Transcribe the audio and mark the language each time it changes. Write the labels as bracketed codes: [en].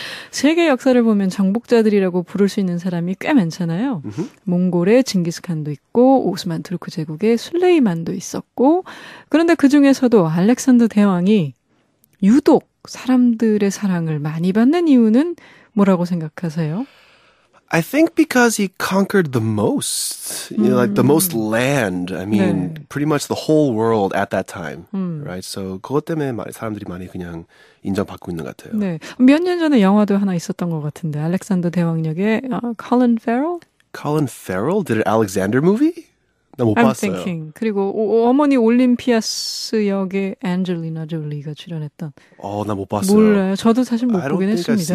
[ko] 세계 역사를 보면 정복자들이라고 부를 수 있는 사람이 꽤 많잖아요. 몽골의 징기스칸도 있고, 오스만 투르크 제국의 술레이만도 있었고, 그런데 그 중에서도 알렉산더 대왕이 유독 사람들의 사랑을 많이 받는 이유는 뭐라고 생각하세요? [en] I think because he conquered the most, you know, like the most land. I mean, 네. pretty much the whole world at that time, right? [ko] So 그것 때문에 사람들이 많이 그냥 인정받고 있는 것 같아요. 네, 몇 년 전에 영화도 하나 있었던 것 같은데, 알렉산더 대왕역에 Colin Farrell. [en] Colin Farrell did an Alexander movie? [ko] 나 못 봤어요. [en] I'm thinking. [ko] 그리고 어머니 올림피아스 역에 앤젤리나 졸리가 출연했던. 나 못 봤어요. 몰라요. 저도 사실 못 보긴 했습니다.